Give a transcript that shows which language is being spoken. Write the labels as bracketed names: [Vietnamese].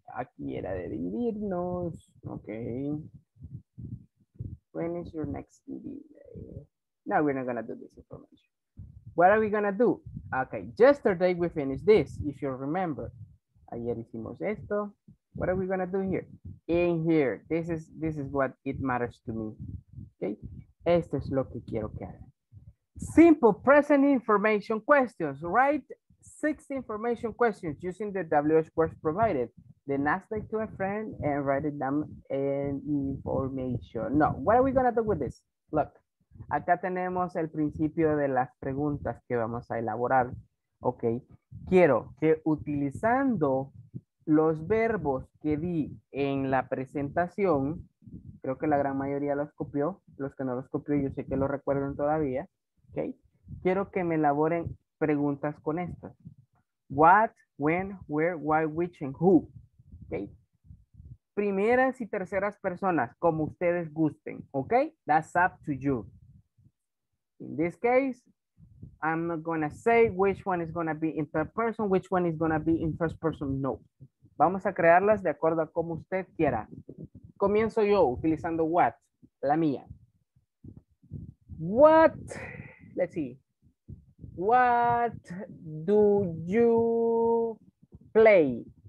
[Spanish] Aquí era de dividirnos. [English] Okay. When is your next meeting? No, we're not gonna do this information. What are we gonna do? Okay, yesterday we finished this, if you remember. [Spanish] Ayer hicimos esto. [English] What are we gonna do here? In here, this is what it matters to me. [Spanish] Okay, esto es lo que quiero que haga. [English] Simple present information questions. Write 6 information questions using the WH words provided. Then ask them to a friend and write it down in information. No, what are we gonna do with this? Look. [Spanish] Acá tenemos el principio de las preguntas que vamos a elaborar, ok. Quiero que utilizando los verbos que di en la presentación, creo que la gran mayoría los copió, los que no los copió yo sé que lo recuerdan todavía, ok. Quiero que me elaboren preguntas con estas. [English] What, when, where, why, which, and who, ok. [Spanish] Primeras y terceras personas, como ustedes gusten, ok. [English] That's up to you. In this case, I'm not going to say which one is going to be in third person, which one is going to be in first person. No. [Spanish] Vamos a crearlas de acuerdo a como usted quiera. Comienzo yo utilizando what, la mía. [English] What, let's see. What do you play?